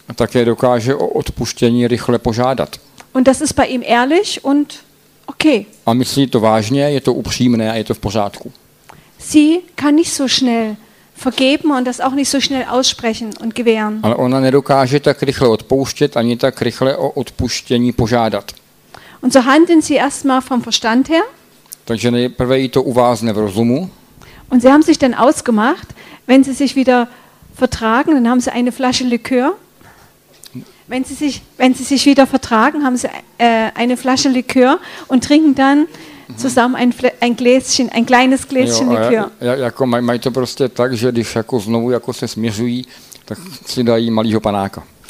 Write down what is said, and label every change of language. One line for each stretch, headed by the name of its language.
Czech: A také dokáže o odpuštění rychle požádat.
German: Und das ist bei ihm ehrlich und okay.
Czech: A myslí to vážně, je to upřímné a je to v pořádku.
German: Sie kann nicht so schnell vergeben und das auch nicht so schnell aussprechen und gewähren.
Czech: Ale ona nedokáže tak rychle odpouštět ani tak rychle o odpuštění požádat.
German: Und so handeln sie erstmal vom Verstand her.
Czech: Takže nejprve jí to uvázne v rozumu.
German: Und sie haben sich dann ausgemacht, wenn sie sich wieder vertragen, dann haben sie eine Flasche Likör. Wenn sie sich wieder vertragen, haben sie eine Flasche Likör und trinken dann zusammen ein Gläschen, ein kleines Gläschen Likör.
Czech: Jako mají to prostě tak, že když jako znovu jako se směřují, tak si dají malýho panáka.